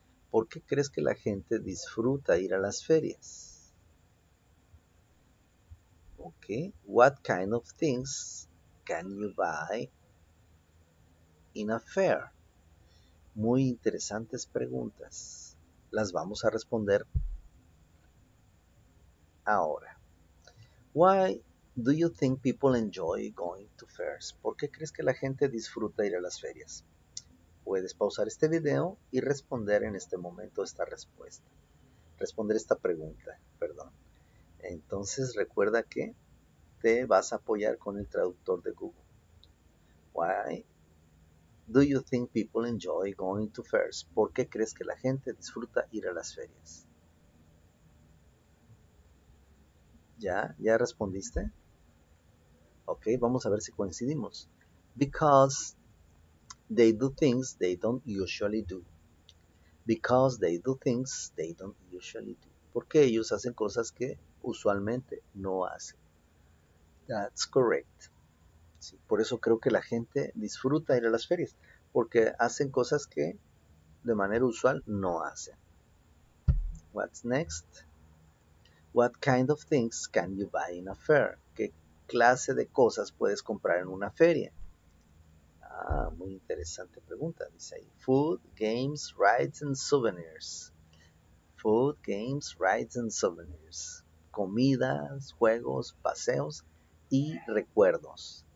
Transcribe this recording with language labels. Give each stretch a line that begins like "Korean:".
Spanish: ¿Por qué crees que la gente disfruta ir a las ferias?
English: Okay, what kind of things can you buy in a fair?
Spanish: Muy interesantes preguntas. Las vamos a responder ahora.
English: Why do you think people enjoy going to fairs?
Spanish: ¿Por qué crees que la gente disfruta ir a las ferias? Puedes pausar este video y responder en este momento esta respuesta. Responder esta pregunta, perdón. Entonces recuerda que te vas a apoyar con el traductor de Google.
English: Why do you think people enjoy going to fairs?
Spanish: ¿Por qué crees que la gente disfruta ir a las ferias? ¿Ya respondiste? Ok, vamos a ver si coincidimos.
English: Because they do things they don't usually do. Because they do things they don't usually do.
Spanish: Porque ellos hacen cosas que usualmente no hacen.
English: That's correct.
Spanish: Sí, por eso creo que la gente disfruta ir a las ferias. Porque hacen cosas que de manera usual no hacen.
English: What's next? What kind of things can you buy in a fair?
Spanish: ¿Qué clase de cosas puedes comprar en una feria? Ah, muy interesante pregunta. Dice ahí,
English: food, games, rides and souvenirs. Food, games, rides and souvenirs.
Spanish: Comidas, juegos, paseos y recuerdos.